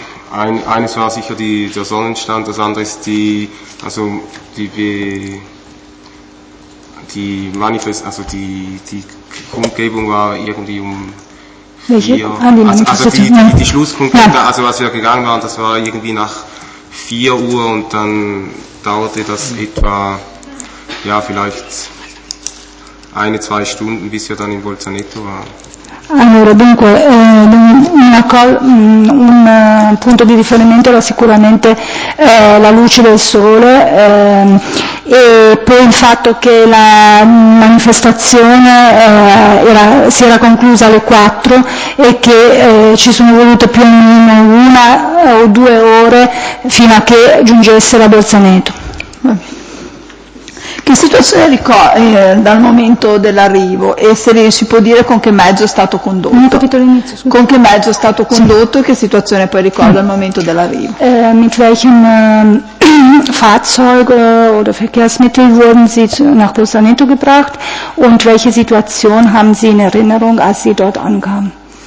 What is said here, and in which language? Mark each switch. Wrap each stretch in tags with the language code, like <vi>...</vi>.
<de>Eines war sicher der Sonnenstand, das andere ist die Kundgebung war irgendwie die Schlusskundgebung, ja. Also was wir gegangen waren, das war irgendwie nach 4 Uhr und dann dauerte das etwa, ja vielleicht eine, zwei Stunden, bis wir dann in Bolzaneto waren.</de> <it>Allora, dunque, un punto di riferimento era sicuramente la luce del sole, e poi il fatto che la manifestazione si era conclusa alle 4 e che ci sono volute più o meno una o due ore fino a che giungesse la Bolzaneto. Che situazione dal momento dell'arrivo e se si può dire con che mezzo è stato condotto? Non ho capito l'inizio. Scusate. Con che mezzo è stato condotto, sì. E che situazione poi ricorda al momento dell'arrivo?</it> <de>Mit welchem Fahrzeug oder Verkehrsmittel wurden Sie nach Bolzaneto gebracht und welche Situation haben Sie in Erinnerung, als Sie dort ankamen?</de>